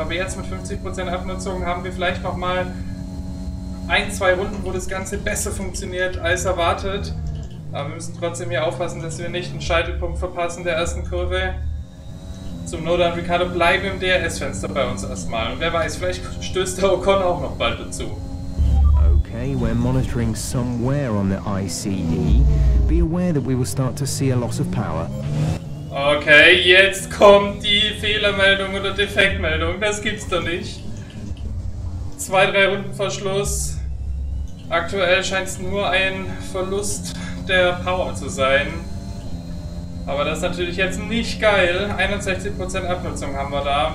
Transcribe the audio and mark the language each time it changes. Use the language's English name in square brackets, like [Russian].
[German] Aber jetzt mit 50% Abnutzung haben wir vielleicht nochmal ein, zwei Runden, wo das Ganze besser funktioniert als erwartet. Aber wir müssen trotzdem hier aufpassen, dass wir nicht einen Scheitelpunkt verpassen der ersten Kurve. Zum Noda und Ricardo bleiben im DRS-Fenster bei uns erstmal. Und wer weiß, vielleicht stößt der Ocon auch noch bald dazu. [English] Okay, we're monitoring somewhere on the ICE. Be aware that we will start to see a loss of power. [German] Okay, jetzt kommt die Fehlermeldung oder Defektmeldung. Das gibt's doch nicht. Zwei, drei Runden vor Schluss. Aktuell scheint es nur ein Verlust der Power zu sein. Aber das ist natürlich jetzt nicht geil. 61% Abnutzung haben wir da.